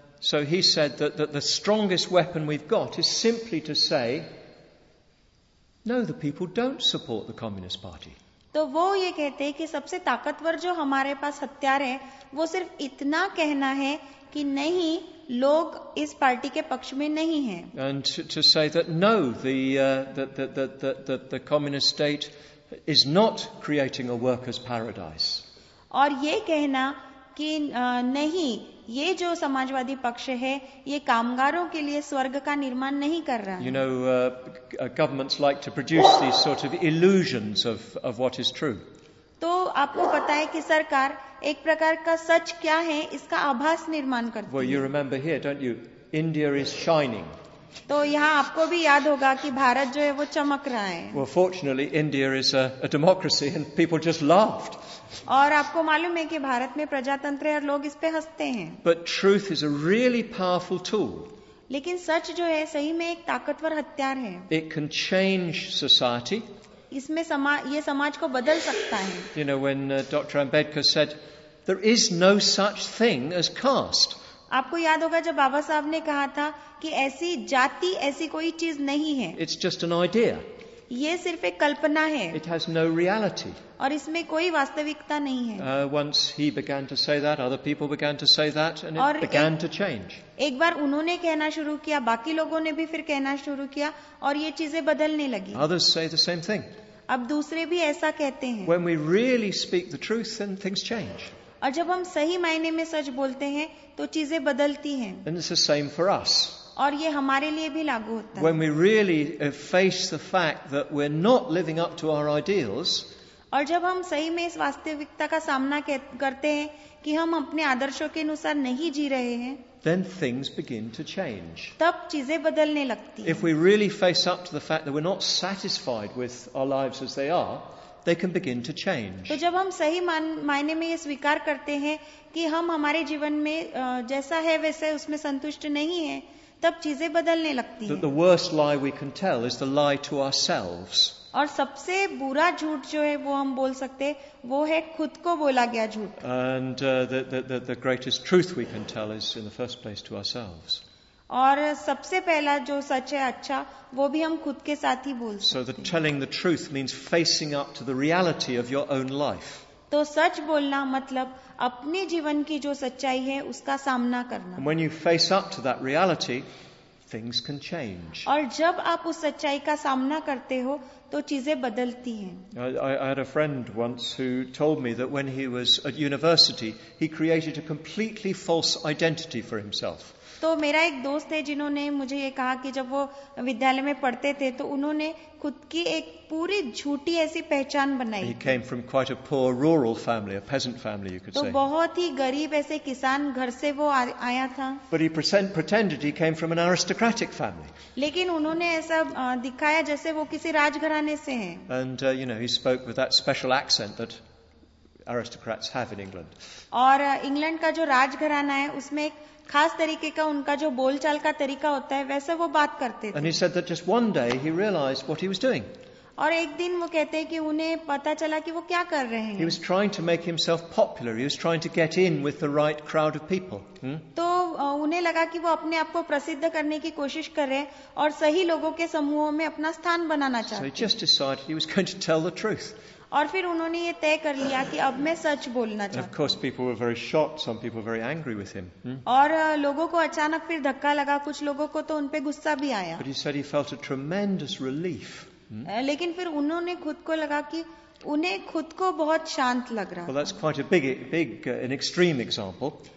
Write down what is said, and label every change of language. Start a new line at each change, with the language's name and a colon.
English: So he said that the strongest weapon we've got is simply to say, no, the people don't support the Communist Party.
Hindi: तो वो ये कहते हैं कि सबसे ताकतवर जो हमारे पास हथियार है वो सिर्फ इतना कहना है कि नहीं, लोग इस पार्टी के पक्ष में नहीं हैं.
English: And to say that no, the communist state is not creating a workers' paradise.
Hindi: और ये कहना कि नहीं, ये जो समाजवादी पक्ष है ये कामगारों के लिए स्वर्ग का निर्माण नहीं कर रहा.
English: You know, governments like to produce these sort of illusions of what is true.
Hindi: तो आपको पता है कि सरकार एक प्रकार का सच क्या है इसका आभास निर्माण करती है.
English: Well, you remember here, don't you? India is shining.
Hindi: तो यहाँ आपको भी याद होगा कि भारत जो है वो चमक रहा है.
English: Well, fortunately, India is a democracy and people just laughed.
Hindi: और आपको मालूम है कि भारत में प्रजातंत्र है और लोग इस पे हंसते हैं.
English: But truth is a really powerful tool.
Hindi: लेकिन सच जो है सही में एक ताकतवर हथियार है.
English: It can change society.
Hindi: इसमें ये समाज को बदल सकता है.
English: You know, when Dr. Ambedkar said, there is no such thing as caste.
Hindi: आपको याद होगा जब बाबा साहब ने कहा था कि ऐसी जाति ऐसी कोई चीज नहीं है.
English: It's just an idea.
Hindi: ये सिर्फ एक कल्पना है.
English: It has no reality.
Hindi: और इसमें कोई वास्तविकता नहीं है.
English: Once he began to say that, other people began to say that, and it began to change.
Hindi: एक बार उन्होंने कहना शुरू किया, बाकी लोगों ने भी फिर कहना शुरू किया और ये चीजें बदलने लगी.
English: Others say the same thing.
Hindi: अब दूसरे भी ऐसा कहते हैं.
English: When we really speak the truth, then things change.
Hindi: और जब हम सही मायने में सच बोलते हैं तो चीजें बदलती हैं.
English: And it's the same for us.
Hindi: और ये हमारे लिए भी लागू होता है.
English: When we really face the fact that we're not living up to our ideals.
Hindi: और जब हम सही में इस वास्तविकता का सामना करते हैं कि हम अपने आदर्शों के अनुसार नहीं जी रहे हैं.
English: Then things begin to change.
Hindi: तब चीजें बदलने लगती हैं.
English: If we really face up to the fact that we're not satisfied with our lives as they are. They can begin to change.
Hindi: तो जब हम सही मायने में ये स्वीकार करते हैं कि हम हमारे जीवन में जैसा है वैसे उसमें संतुष्ट नहीं है, तब चीजें बदलने लगती हैं.
English: The worst lie we can tell is the lie to ourselves.
Hindi: और सबसे बुरा झूठ जो है वो हम बोल सकते वो है खुद को बोला गया झूठ
English: and the greatest truth we can tell is in the first place to ourselves
Hindi: और सबसे पहला जो सच है अच्छा वो भी हम खुद के साथ ही बोल सकते
English: so the telling the truth means facing up to the reality of your own life
Hindi: तो सच बोलना मतलब अपने जीवन की जो सच्चाई है उसका सामना करना
English: when you face up to that reality Things can change.
Hindi: और जब आप उस सच्चाई का सामना करते हो तो चीजें बदलती हैं।
English: I had a friend once who told me that when he was at university, he created a completely false identity for himself.
Hindi: तो मेरा एक दोस्त है जिन्होंने मुझे ये कहा कि जब वो विद्यालय में पढ़ते थे तो उन्होंने खुद की एक पूरी झूठी ऐसी पहचान बनाई
English: He came from quite a poor rural family, a peasant family, you could
Hindi: तो
English: say.
Hindi: तो बहुत ही गरीब ऐसे किसान घर से वो आया था
English: But he pretended he came from an aristocratic family.
Hindi: लेकिन उन्होंने ऐसा दिखाया जैसे वो किसी राजघराने से हैं
English: And you know, he spoke with that special accent that aristocrats have in England.
Hindi: और इंग्लैंड का जो राजघराना है उसमें एक खास तरीके का उनका जो बोलचाल का तरीका होता है वैसे वो बात करते थे
English: And he said that just one day he realized what he was doing.
Hindi: और एक दिन वो कहते हैं कि उन्हें पता चला कि वो क्या कर रहे हैं
English: He was trying to make himself popular. He was trying to get in with the right crowd of people.
Hindi: तो उन्हें लगा कि वो अपने आप को प्रसिद्ध करने की कोशिश कर रहे हैं और सही लोगों के समूहों में अपना स्थान बनाना चाहते हैं
English: So he just decided he was going to tell the truth.
Hindi: और फिर उन्होंने ये तय कर लिया कि अब मैं सच बोलना चाहता हूँ।
English: Of course, people were very shocked. Some people were very angry with him.
Hindi: और लोगों को अचानक फिर धक्का लगा। कुछ लोगों को तो उनपे गुस्सा भी आया।
English: But he said he felt a tremendous relief.
Hindi: लेकिन फिर उन्होंने खुद को लगा कि उन्हें खुद को बहुत शांत लग रहा।
English: Well, that's quite a big, an extreme example.